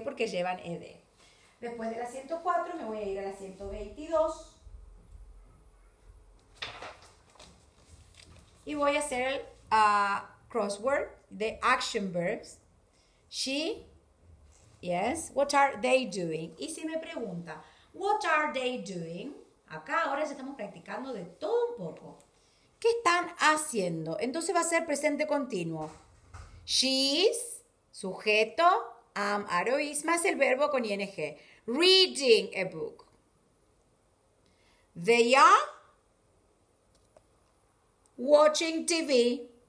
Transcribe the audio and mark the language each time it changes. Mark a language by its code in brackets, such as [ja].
[es] Porque llevan ed. Después de la 104 me voy a ir a la 122. Y voy a hacer el crossword de action verbs. She [en] Yes, what are they doing? [es] Y si me pregunta, [en] what are they doing? [es] Acá ahora ya estamos practicando de todo un poco. ¿Qué están haciendo? Entonces va a ser presente continuo. She's, sujeto, am, aro, is, más el verbo con ing. [en] Reading a book. They are watching TV.